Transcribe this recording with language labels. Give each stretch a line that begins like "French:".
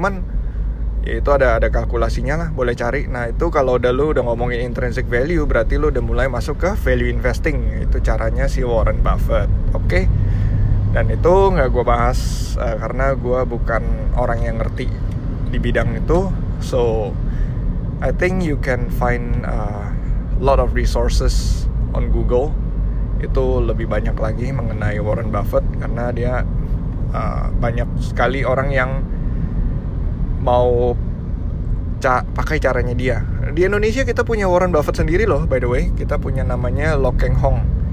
Indonesian: Cuman ya itu ada kalkulasinya lah, boleh cari. Nah itu kalau udah lu udah ngomongin intrinsic value, berarti lu udah mulai masuk ke value investing. Itu caranya si Warren Buffett, oke? Dan itu gak gue bahas karena gue bukan orang yang ngerti di bidang itu.
English: So, I think you can find a lot of resources on Google.
Indonesian: Itu lebih banyak lagi mengenai Warren Buffett, karena dia banyak sekali orang yang mau pakai caranya dia. Di Indonesia kita punya Warren Buffett sendiri loh,
English: by the way.
Indonesian: Kita punya namanya Lokeng Hong.